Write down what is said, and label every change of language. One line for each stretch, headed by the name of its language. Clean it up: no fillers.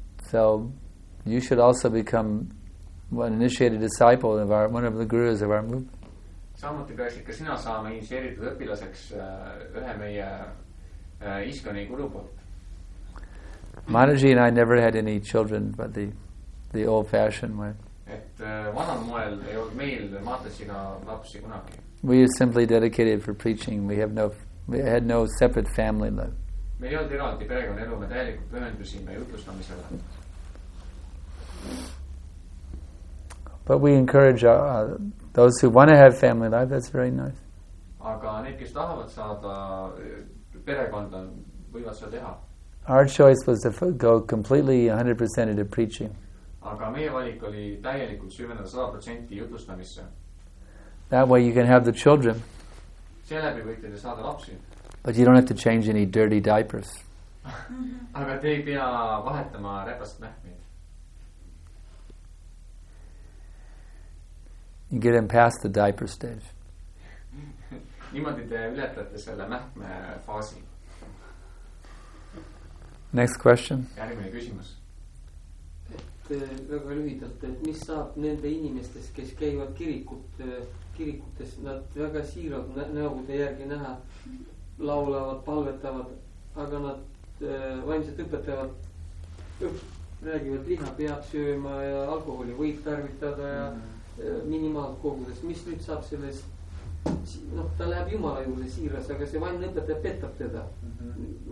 English: So you should also become an initiated disciple of one of the gurus of our movement.
Estonian: Samuti peaksid ka sina saama initsieeritud õpilaseks ühe meie iskoni guru poolt.
English: Maharaji and I never had any children, but the old-fashioned way.
Estonian: Et vanal moel ei olnud meil Maharajiga lapsi kunagi.
English: We are simply dedicated for preaching. We had no separate family life.
Estonian: Me ei olnud eraldi perekonna elu, me täielikult pühendusime jutlustamisele.
English: But we encourage those who want to have family life, that's very nice.
Estonian: Aga need, kes tahavad saada perekonda, võivad seda teha.
English: Our choice was to go completely 100% into preaching.
Estonian: Aga meie valik oli täielikult süvendada 100% jutlustamisse.
English: That way you can have the children.
Estonian: Selleb võite te saada lapsi.
English: But you don't have to change any dirty diapers.
Estonian: Aga te ei pea vahetama repast mähmi.
English: You get him past the diaper stage.
Estonian: Niimoodi te ületate selle mähkme faasi.
English: Next question.
Estonian: Järgmine küsimus. Et väga lühidalt, et mis saab nende inimestes, kes käivad kirikutes, nad väga siirad näogude järgi näha, laulavad, palvetavad, aga nad vaimselt õpetavad, räägivad liha peab sööma ja alkoholi võib tarvitada ja minimaalt kogudes, mis nüüd saab selles, noh, ta läheb Jumala juurde siiras, aga see vain õpetaja petab teda. Mm-hmm.